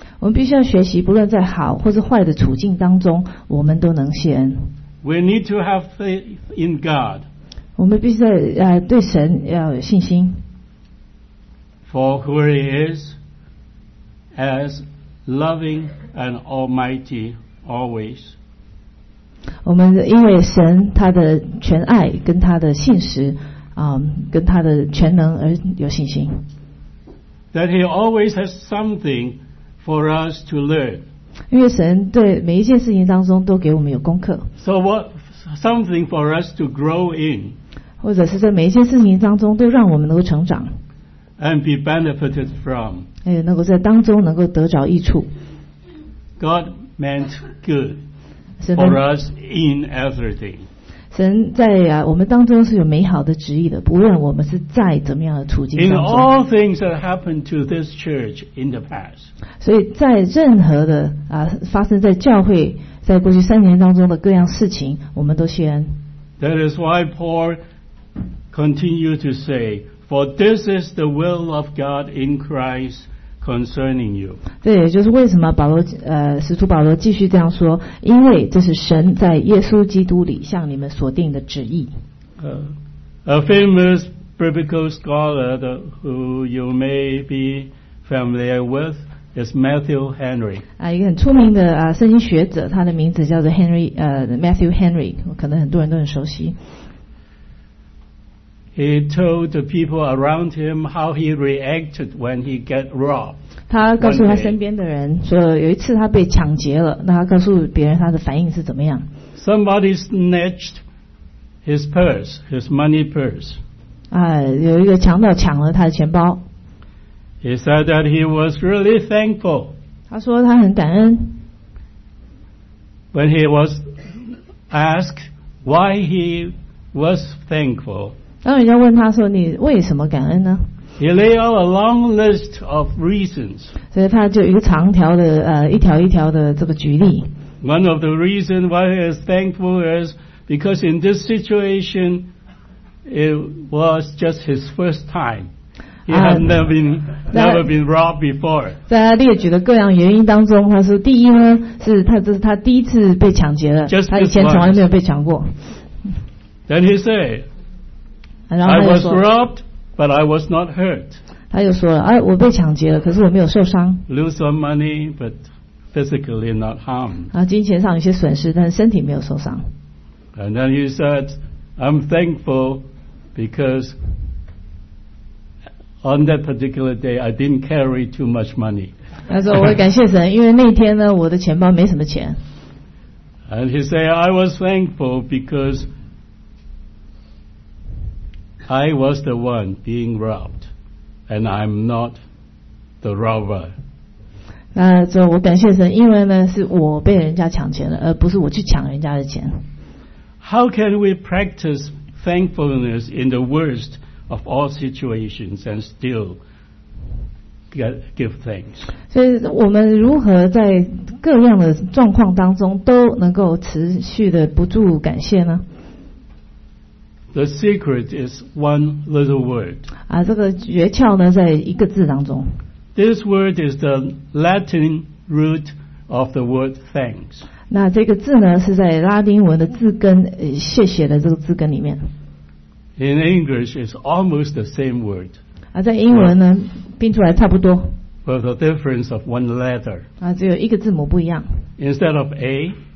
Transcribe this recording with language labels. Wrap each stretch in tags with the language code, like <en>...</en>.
<zh>我们必须要学习，不论在好或是坏的处境当中，我们都能谢恩。</zh> <en>We need to have faith in God.</en> <zh>我们必须在对神要有信心。</zh> <en>For who he is, as loving and almighty always.</en> <zh>我们因为神他的全爱跟他的信实，跟他的全能而有信心。</zh> <en>That he always has something for us to learn.</en> <zh>因为神对每一件事情当中都给我们有功课。</zh> <en>So what something for us to grow in?</en> <zh>或者是在每一件事情当中都让我们能够成长</zh> <en>and be benefited from</en> <zh>能够在当中能够得着益处。</zh> <en>God meant good for us in everything.</en> <zh>神在我们当中是有美好的旨意的，不论我们是在怎么样的处境当中。</zh> <en>In all things that happened to this church in the past.</en> <zh>所以在任何的发生在教会在过去三年当中的各样事情我们都谢恩。</zh> <en>That is why PaulContinue to say, for this is the will of God in Christ concerning you.</en> <zh>这也就是为什么使徒保罗继续这样说，因为这是神在耶稣基督里向你们所定的旨意。</zh> <en>A famous biblical scholar who you may be familiar with is Matthew Henry.</en> <zh>一个很出名的圣经学者，他的名字叫做 Matthew Henry， 可能很多人都很熟悉。</zh> <en>He told the people around him how he reacted when he got robbed.</en> <zh>他告诉他身边的人说，有一次他被抢劫了，那他告诉别人他的反应是怎么样。</zh> <en>Somebody snatched his purse, his money purse.</en> <zh>啊，有一个强盗抢了他的钱包。</zh> <en>He said that he was really thankful.</en> <zh>他说他很感恩。</zh> <en>When he was asked why he was thankful.</en> <zh>当人家问他说你为什么感恩呢</zh> <en>？He laid out a long list of reasons.</en> <zh>所以他就一个长条的一条一条的这个举例。</zh> <en>One of the reasons why he is thankful is because in this situation, it was just his first time. He had never been robbed before.</en> <zh>在他列举的各样原因当中，他说第一呢，是他这是他第一次被抢劫了，</zh> <en>just、</en> <zh>他以前从来没有被抢过。</zh> <en>Then he said. I was robbed, but I was not hurt.</en> <zh>他又说了，哎，我被抢劫了，可是我没有受伤。</zh> <en>Lose some money, but physically not harmed.</en> <zh>啊，金钱上有些损失，但身体没有受伤。</zh> <en>And then he said, I'm thankful because on that particular day I didn't carry too much money.</en> <zh>他说，我感谢神，因为那天呢，我的钱包没什么钱。</zh> <en>And he said, I was thankful because. I was the one being robbed, and I'm not the robber.</en> <zh>那这我感谢神，因为呢是我被人家抢钱了，而不是我去抢人家的钱。</zh> <en>How can we practice thankfulness in the worst of all situations and still give thanks?</en> <zh>所以我们如何在各样的状况当中都能够持续的不住感谢呢？</zh> <en>The secret is one little word.</en> <zh>啊，这个诀窍呢，在一个字当中。</zh> <en>This word is the Latin root of the word thanks.</en> <zh>那这个字呢，是在拉丁文的字根，谢谢的这个字根里面。</zh> <en>In English, it's almost the same word.</en> <zh>啊，在英文呢，拼出来差不多。</zh> <en>With a difference of one letter.</en> <zh>啊，只有一个字母不一样。</zh> <en>Instead of A.</en>